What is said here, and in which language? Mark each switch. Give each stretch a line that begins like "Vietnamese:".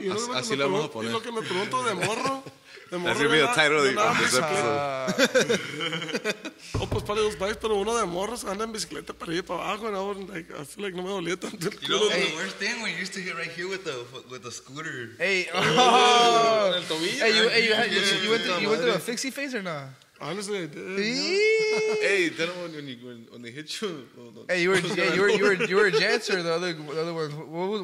Spanish: Así lo vamos a poner. Y lo que me pregunto de morro.
English: That's going to be the title of this episode.
Spanish: Oh, pues para los bikes, pero uno de morros anda en bicicleta para ir para abajo.
English: And I was like, I feel like no me dolía tanto. You know, the worst thing, we used to hit right here with the scooter. Hey. Oh.
Spanish: El tobillo.
English: Hey, you went through a fixie phase or not? Honestly, I did. Yeah. Hey, when they hit you. Oh, no. Hey, you were a Jancer, the other one.